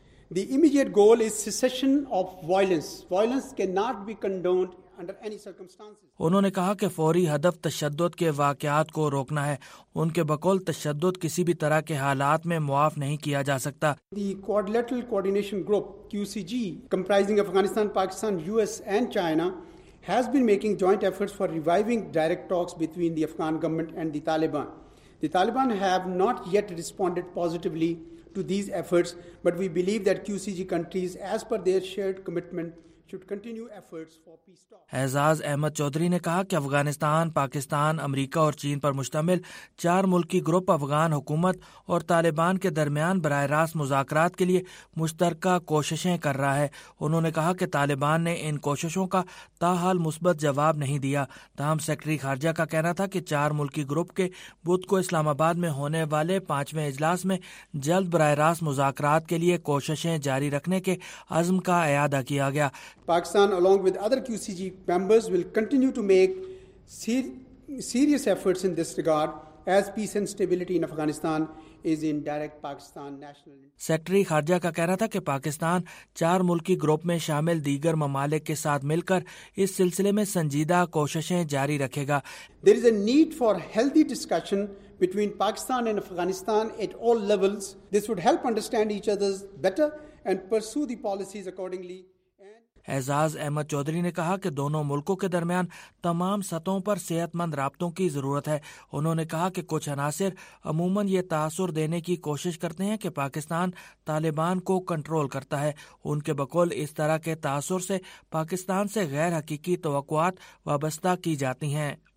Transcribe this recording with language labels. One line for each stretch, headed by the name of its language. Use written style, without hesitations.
English: The immediate goal is cessation of violence. Violence cannot be condoned under any circumstances.
Urdu: انہوں نے کہا کہ فوری ہدف تشدد کے واقعات کو روکنا ہے. ان کے بقول تشدد کسی بھی طرح کے حالات میں معاف نہیں کیا جا سکتا.
English: The quadrilateral coordination group QCG comprising Afghanistan, Pakistan, US and China has been making joint efforts for reviving direct talks between the Afghan government and the Taliban. The Taliban have not yet responded positively to these efforts, but we believe that QCG countries, as per their shared commitment, should continue efforts for peace talks.
Urdu: اعزاز احمد چودھری نے کہا کہ افغانستان، پاکستان، امریکہ اور چین پر مشتمل 4 ملکی group Afghan حکومت اور طالبان کے درمیان براہ راست مذاکرات کے لیے مشترکہ کوششیں کر رہا ہے. انہوں نے کہا کہ طالبان نے ان کوششوں کا تاحال مثبت جواب نہیں دیا. تاہم سیکرٹری خارجہ کا کہنا تھا کہ 4 ملکی گروپ کے بدھ کو اسلام آباد میں ہونے والے 5ویں اجلاس میں جلد براہ راست مذاکرات کے لیے کوششیں جاری رکھنے کے عزم کا اعادہ کیا گیا.
English: Pakistan along with other QCG members will continue to make serious efforts in this regard as peace and stability in Afghanistan is in direct Pakistan national interest.
Urdu: Secretary خارجہ کا کہنا تھا کہ پاکستان 4 ملکی گروپ میں شامل دیگر ممالک کے ساتھ مل کر اس سلسلے میں سنجیدہ کوششیں جاری رکھے گا.
English: There is a need for healthy discussion between Pakistan and Afghanistan at all levels. This would help understand each other better and pursue the policies accordingly.
Urdu: اعزاز احمد چودھری نے کہا کہ دونوں ملکوں کے درمیان تمام سطحوں پر صحت مند رابطوں کی ضرورت ہے. انہوں نے کہا کہ کچھ عناصر عموماً یہ تاثر دینے کی کوشش کرتے ہیں کہ پاکستان طالبان کو کنٹرول کرتا ہے. ان کے بقول اس طرح کے تاثر سے پاکستان سے غیر حقیقی توقعات وابستہ کی جاتی ہیں.